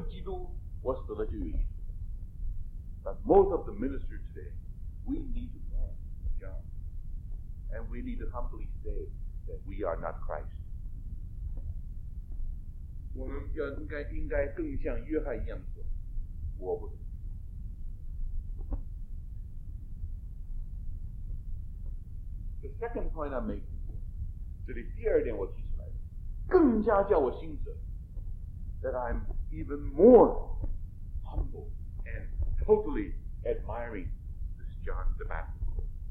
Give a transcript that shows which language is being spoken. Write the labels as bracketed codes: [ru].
[zh] 保罗能够清清楚楚地说，我活的就是基督，我死的就是耶稣。But [en] most of the ministry today, we need to know John, and we need to humbly say that we are not Christ. [zh] 我们应该更像约翰一样说，我不是。 [en] The second point I make. [zh] 这里第二点我提出来的，更加叫我心折， [en] that I'm even more humble and totally admiring this John the Baptist.